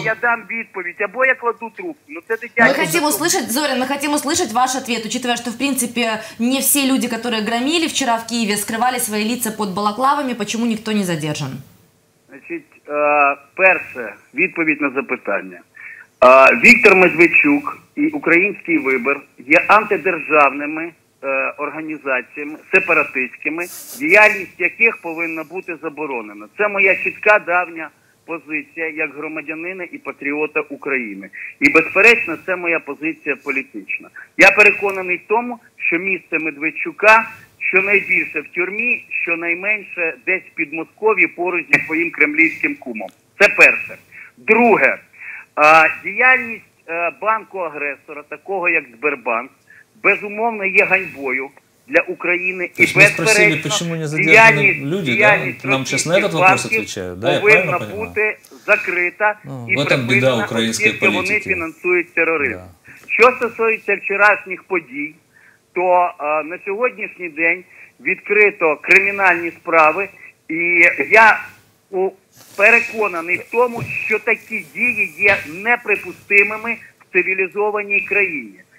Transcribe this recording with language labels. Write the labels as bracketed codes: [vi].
[uk] Я дам відповідь, або я кладу трубку. [ru] Мы хотим услышать, Зорин, мы хотим услышать ваш ответ, учитывая, что, в принципе, не все люди, которые громили вчера в Киеве, скрывали свои лица под балаклавами, почему никто не задержан? Значит, первое, [uk] відповідь на запитание. Виктор Медведчук и украинский выбор є антидержавными організаціями, сепаратистськими, діяльність яких повинна бути заборонена. Це моя чітка давня позиція як громадянина і патріота України. І безперечно, це моя позиція політична. Я переконаний в тому, що місце Медведчука щонайбільше в тюрмі, щонайменше десь в Підмосков'ї поруч зі своїм кремлівським кумом. Це перше. Друге. Діяльність банку-агресора, такого як Сбербанк, безумовно, є ганьбою для України. [ru] То есть мы спросили, почему не задержаны люди, да? Нам сейчас на этот вопрос отвечают, да, я правильно понимаю? В этом беда украинской политики. [uk] Вони фінансують тероризм. Що стосується вчорашніх подій, то на сьогоднішній день відкрито кримінальні справи, і я переконаний в тому, що такі дії є неприпустимими в цивілізованій країні.